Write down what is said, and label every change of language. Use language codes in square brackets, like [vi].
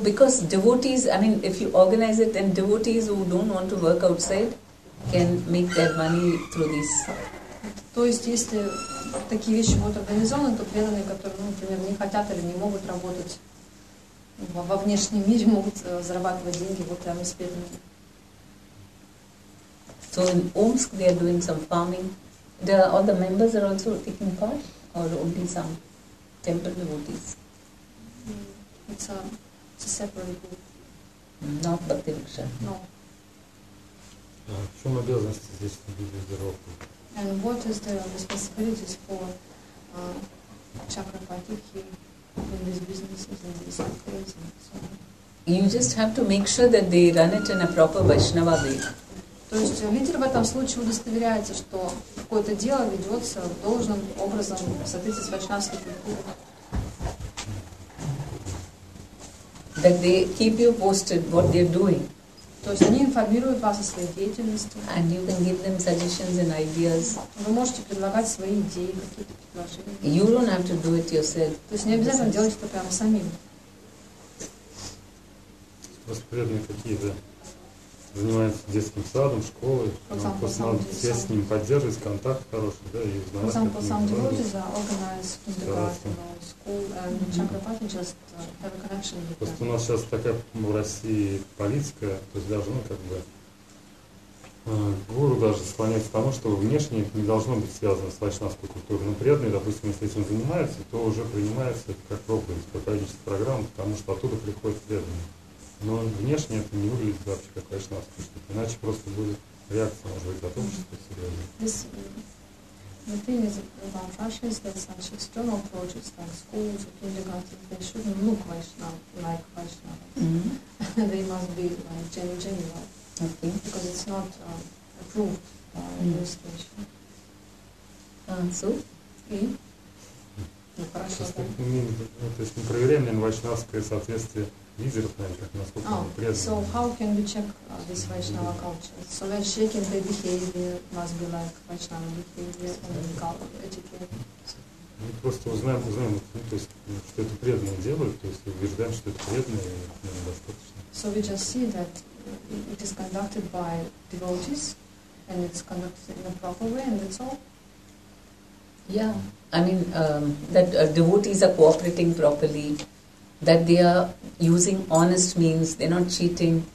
[en] because devotees, I mean, if you organize it, then devotees who don't want to work outside can make their money through this. [ru] То есть, если такие вещи будут организованы, то преданные, которые, например, не хотят или не могут работать во внешнем мире могут зарабатывать деньги вот там из преданных. [en] So in Omsk they are doing some farming. There are, all the members are also taking part, or only some temple devotees? It's a separate group. Not Bhakti Viksha. No. [ru] В чем обязанности здесь бездировки? [en] And what is the responsibilities for chakra patihi in this business and this crazy? You just have to make sure that they run it in a proper Vaishnava way. [ru] То есть лидер в этом случае удостоверяется, что какое-то дело ведется должным образом в соответствии с вайшнавской культурой. [en] That they keep you posted what they're doing. [ru] То есть они информируют вас о своей деятельности. [en] And you can give them suggestions and ideas. [ru] Вы можете предлагать свои идеи, какие-то предложения. [en] You don't have to do it yourself. [ru] То есть не обязательно делать это прямо самим. Воспитанные какие-то. Занимается детским садом, школой, все с ним поддерживает контакт хороший, да, и знает. Сам организовывается. Просто у нас сейчас такая в России политика, то есть даже, ну, как бы, гуру даже склоняется к тому, что внешне не должно быть связано с вайшнавской культурой. Но преданные, допустим, если этим занимаются, то уже принимается как проповедь, как родительская программа, потому что оттуда приходят преданные. Но внешне это не выглядит вообще как вайшнавское, иначе просто будет реакция, может быть, от общества серьезно. [en] The thing is about Russia is that such external projects like schools or kindergarten, they shouldn't look like Vaishnava. Mm-hmm. They must be like genuine. Okay. Because it's not approved by administration. So? [ru] Хорошо. То есть мы проверяем, наверное, вайшнавское соответствие. Лидеров, наверное, как насколько они преданы. [en] So how can we check this Vaishnava culture? So when checking the behavior must be like Vaishnava behavior and etiquette. [ru] Мы просто узнаем, то есть, что это преданные делают, то есть убеждаем, что это преданные, наверное, достаточно. [en] So we just see that it is conducted by devotees and it's conducted in a proper way and that's all. Yeah, I mean that devotees are cooperating properly. That they are using honest means, they're not cheating.